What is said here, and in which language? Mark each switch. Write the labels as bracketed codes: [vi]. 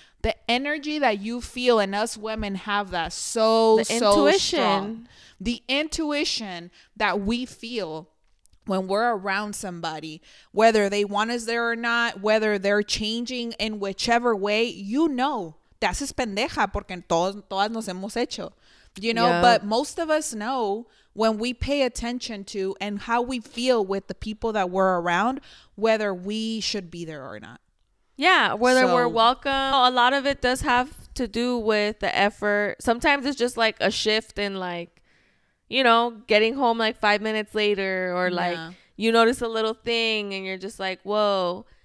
[en] The energy that you feel, and us women have that so intuition. Strong. The intuition that we feel when we're around somebody, whether they want us there or not, whether they're changing in whichever way, you know. [es] Te haces pendeja porque todas nos hemos hecho. [en] You know, but most of us know when we pay attention to and how we feel with the people that we're around, whether we should be there or not. Yeah, whether we're welcome. A lot of it does have to do with the effort. Sometimes it's just like a shift in like, you know, getting home like 5 minutes later or like you notice a little thing and you're just like, whoa.